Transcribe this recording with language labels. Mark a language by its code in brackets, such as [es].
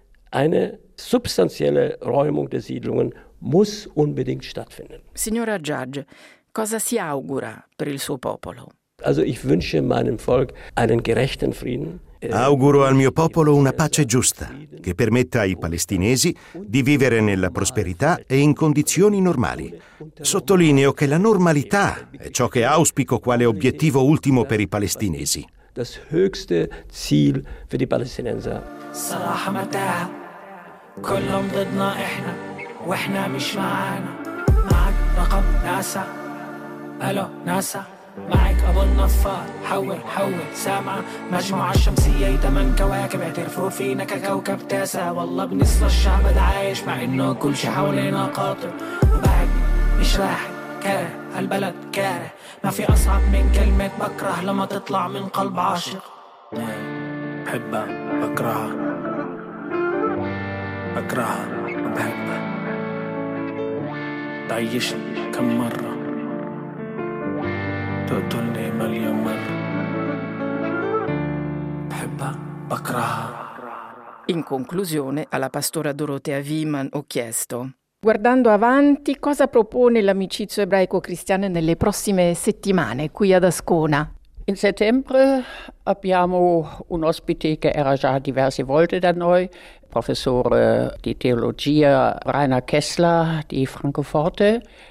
[de] Eine substanzielle Räumung der Siedlungen muss unbedingt stattfinden. [it] Signora Judge, cosa si augura per il suo popolo? [de] Also ich wünsche meinem Volk einen gerechten Frieden. [it] Auguro al mio popolo una pace giusta, che permetta ai palestinesi di vivere nella prosperità e in condizioni normali. Sottolineo che la normalità è ciò che auspico quale obiettivo ultimo per i palestinesi. [de] Das höchste Ziel für die Palästinenser. [ar] صراحة متاع كلهم ضدنا احنا واحنا مش معانا معك رقم ناسا الو ناسا معك ابو النفار حول حول سامع مجموعة شمسية تمن كواكب اعترفوا فينا ككوكب تاسع والله بنصر الشعب عايش مع انه كل شي حوالينا قاطع وبعد مش راح كاره البلد كاره ما في اصعب من كلمة بكره لما تطلع من قلب عاشق بحبها بكرهها بكرهها وبحبها تعيشني كم مرة تقتلني مليون مرة بحبها بكرهها. [it] In conclusione, alla pastora Dorothea Wiemann ho chiesto: guardando avanti, cosa propone l'amicizia ebraico-cristiana nelle prossime settimane qui ad Ascona? In settembre abbiamo un ospite che era già diverse volte da noi, professore di teologia Rainer Kessler di Francoforte.